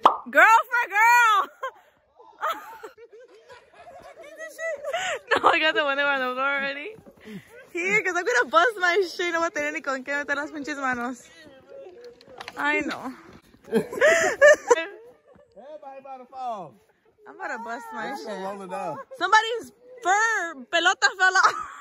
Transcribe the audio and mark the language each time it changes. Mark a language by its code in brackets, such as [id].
[en] Girl for girl. No, I got the one that was on the floor already. Here, cause I'm gonna bust my shit. [es] No voy a tener ni con qué meter las pinches manos. [en] I know. Everybody about to fall. I'm about to bust my shit. Roll it up. Somebody's fur pelota fell off.